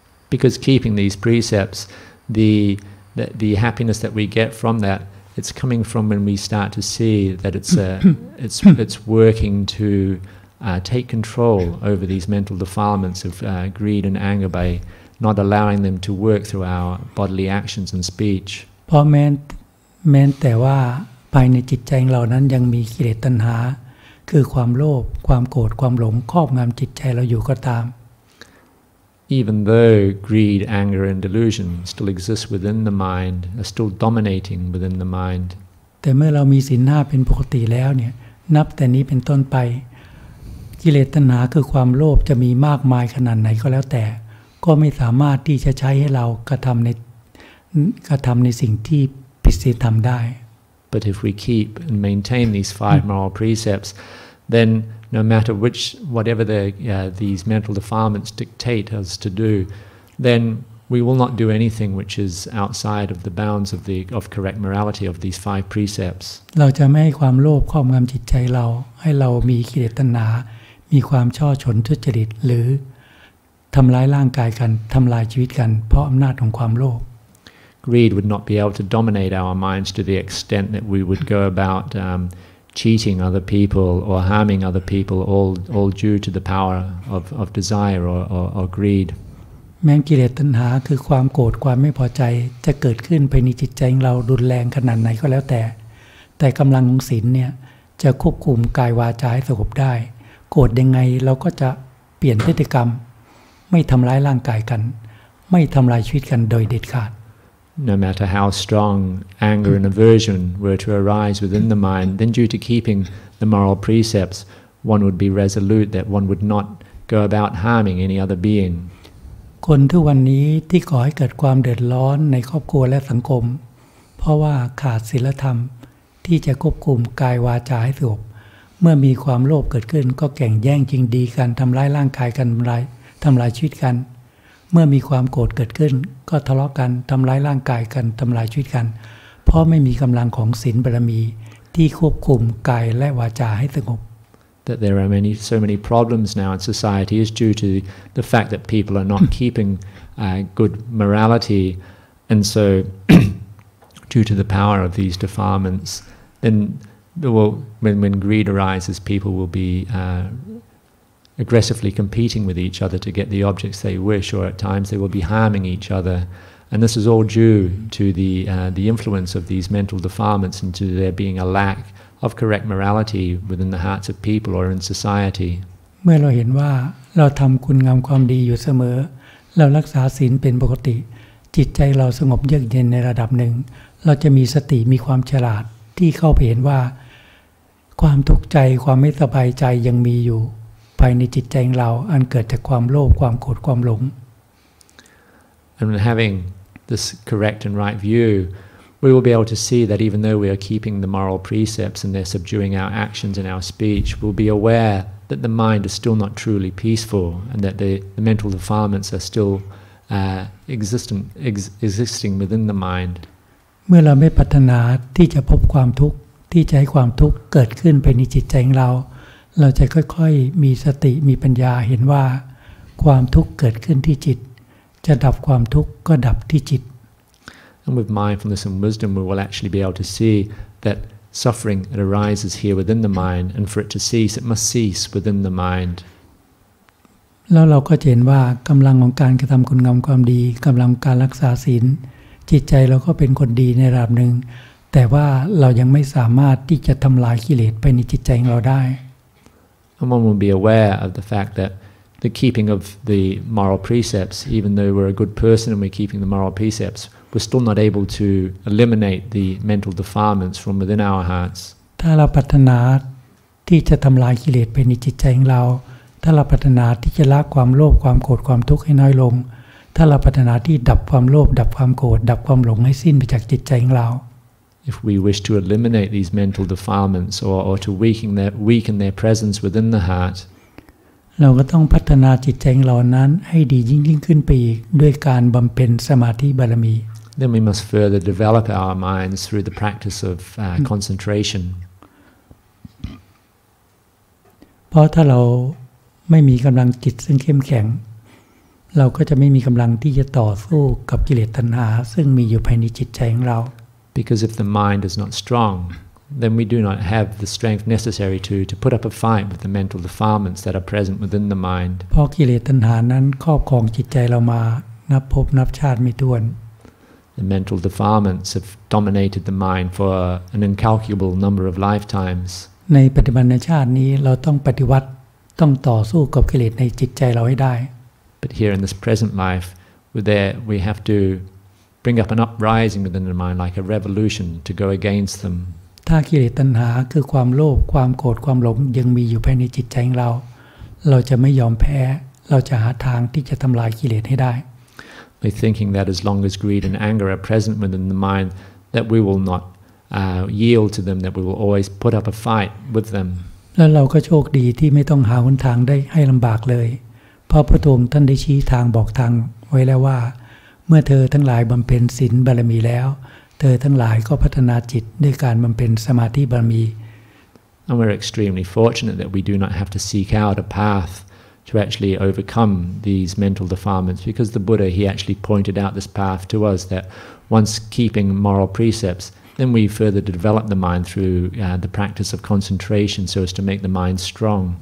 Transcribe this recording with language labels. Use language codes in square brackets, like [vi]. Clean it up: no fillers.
[en] Because keeping these precepts, the happiness that we get from that, it's coming from when we start to see that it's working to take control over these mental defilements of greed and anger by not allowing them to work through our bodily actions and speech. [th] เพราะแม้แต่ว่าภายในจิตใจเรานั้นยังมีกิเลสตัณหาคือความโลภความโกรธความหลงครอบงำจิตใจเราอยู่ก็ตาม [en] even though greed, anger and delusion still exist within the mind, are still dominating within the mind. [th] แต่เมื่อเรามีศีล 5 เป็นปกติแล้วเนี่ยนับแต่นี้เป็นต้นไปกิเลสตัณหาคือความโลภจะมีมากมายขนาดไหนก็แล้วแต่ก็ไม่สามารถที่จะใช้ให้เรากระทำในสิ่งที่ผิดศีลธรรมได้ [en] But if we keep and maintain these five moral precepts, then no matter which, whatever the, these mental defilements dictate us to do, then we will not do anything which is outside of the bounds of correct morality of these five precepts. [th] เราจะไม่ให้ความโลภครอบงำจิตใจเราให้เรามีกิเลสตัณหามีความช่อฉนทุจริตหรือทำร้ายร่างกายกันทำลายชีวิตกันเพราะอำนาจของความโลภ [en] Greed would not be able to dominate our minds to the extent that we would go about cheating other people or harming other people all due to the power of desire or greed [th] แม้กิเลสตัณหาคือความโกรธความไม่พอใจจะเกิดขึ้นภายในจิตใจของเรารุนแรงขนาดไหนก็แล้วแต่กำลังของศีลเนี่ยจะควบคุมกายวาจาให้สงบได้โกรธยังไงเราก็จะเปลี่ยนพฤติกรรมไม่ทำร้ายร่างกายกันไม่ทำลายชีวิตกันโดยเด็ดขาด [en] No matter how strong anger and aversion were to arise within the mind, then due to keeping the moral precepts, one would be resolute that one would not go about harming any other being. [th] คนทุกวันนี้ที่ก่อให้เกิดความเดือดร้อนในครอบครัวและสังคมเพราะว่าขาดศีลธรรมที่จะควบคุมกายวาจาให้สงบเมื่อมีความโลภเกิดขึ้นก็แข่งแย่งจริงดีกันทำร้ายร่างกายกันทำลายชีวิตกันเมื่อมีความโกรธเกิดขึ้นก็ทะเลาะกันทำร้ายร่างกายกันทำลายชีวิตกันเพราะไม่มีกำลังของศีลบารมีที่ควบคุมกายและวาจาให้สงบ [en] That there are so many problems now in society is due to the fact that people are not keeping good morality and so due to the power of these defilements thenWell, when greed arises, people will be aggressively competing with each other to get the objects they wish, or at times they will be harming each other. And this is all due to the influence of these mental defilements and to there being a lack of correct morality within the hearts of people or in society. When we see that we are doing good and good always, we maintain the rule as normal, our mind is calm and quiet at a certain level, we will have wisdom and intelligence. [th] ที่เข้าไปเห็นว่าความทุกข์ใจความไม่สบายใจยังมีอยู่ภายในจิตใจของเราอันเกิดจากความโลภความโกรธความหลง [en] And having this correct and right view we will be able to see that even though we are keeping the moral precepts and they're subduing our actions and our speech we'll be aware that the mind is still not truly peaceful and that the mental defilements are still existing within the mind [th] เมื่อเราไม่ปรารถนาที่จะพบความทุกข์ที่จะให้ความทุกข์เกิดขึ้นภายในจิตใจของเราเราจะค่อยๆมีสติมีปัญญาเห็นว่าความทุกข์เกิดขึ้นที่จิตจะดับความทุกข์ก็ดับที่จิต [en] And with mindfulness and wisdom we will actually be able to see that suffering that arises here within the mind and for it to cease it must cease within the mind [th] แล้วเราก็จะเห็นว่ากำลังของการกระทำคุณงามความดีกำลังของการรักษาศีลจิตใจเราก็เป็นคนดีในระดับหนึ่งแต่ว่าเรายังไม่สามารถที่จะทำลายกิเลสไปในจิตใจของเราได้ [en] One will be aware of the fact that the keeping of the moral precepts, even though we're a good person and we're keeping the moral precepts, we're still not able to eliminate the mental defilements from within our hearts. [th] ถ้าเราปรารถนาที่จะทำลายกิเลสไปในจิตใจของเราถ้าเราปรารถนาที่จะละความโลภความโกรธความทุกข์ให้น้อยลงถ้าเราปรารถนาที่ดับความโลภดับความโกรธดับความหลงให้สิ้นไปจากจิตใจของเรา [en] If we wish to eliminate these mental defilements or to weaken their presence within the heart [th] เราก็ต้องพัฒนาจิตใจของเรานั้นให้ดียิ่งขึ้นไปอีกด้วยการบำเพ็ญสมาธิบารมี [en] Then we must further develop our minds through the practice of concentration [th] เพราะถ้าเราไม่มีกำลังจิตซึ่งเข้มแข็งเราก็จะไม่มีกำลังที่จะต่อสู้กับกิเลสตัณหาซึ่งมีอยู่ภายในจิตใจของเรา [en] Because if the mind is not strong, then we do not have the strength necessary to put up a fight with the mental defilements that are present within the mind. [th] เพราะกิเลสตัณหานั้นครอบครองจิตใจเรามานับภพนับชาติไม่ถ้วน [en] The mental defilements have dominated the mind for an incalculable number of lifetimes. [th] ในปัจจุบันชาตินี้เราต้องปฏิวัติต้องต่อสู้กับกิเลสในจิตใจเราให้ได้ [en] But here in this present life, we have to bring up an uprising within the mind, like a revolution, to go against them. [th] ถ้ากิเลสตัณหาคือความโลภความโกรธความหลงยังมีอยู่ภายในจิตใจของเราเราจะไม่ยอมแพ้เราจะหาทางที่จะทำลายกิเลสให้ได้ [en] By thinking that as long as greed and anger are present within the mind, that we will not yield to them, that we will always put up a fight with them. [th] แล้วเราก็โชคดีที่ไม่ต้องหาหนทางได้ให้ลำบากเลยเพราะพระองค์ท่านได้ชี้ทางบอกทางไว้แล้วว่าเมื่อเธอทั้งหลายบำเพ็ญศีลบารมีแล้วเธอทั้งหลายก็พัฒนาจิตด้วยการบำเพ็ญสมาธิบารมี [en] And we're extremely fortunate that we do not have to seek out a path to actually overcome these mental defilements because the Buddha he actually pointed out this path to us that once keeping moral precepts then we further develop the mind through the practice of concentration so as to make the mind strong